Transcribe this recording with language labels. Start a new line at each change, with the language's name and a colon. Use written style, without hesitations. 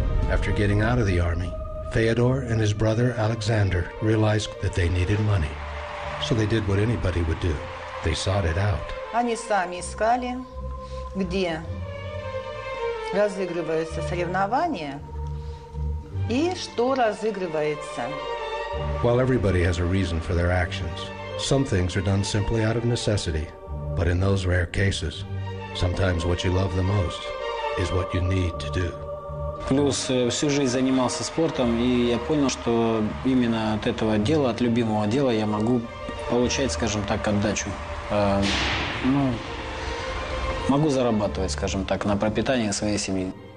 English: After getting out of the army, Fedor and his brother Alexander realized that they needed money. So they did what anybody would do. They sought it out.
Russian: Они сами искали, где разыгрываются соревнования и что разыгрывается.
English: While everybody has a reason for their actions, some things are done simply out of necessity. But in those rare cases, sometimes what you love the most is what you need to do.
Russian: Плюс всю жизнь занимался спортом, и я понял, что именно от этого дела, от любимого дела, я могу получать, скажем так, отдачу. Ну, могу зарабатывать, скажем так, на пропитание своей семьи.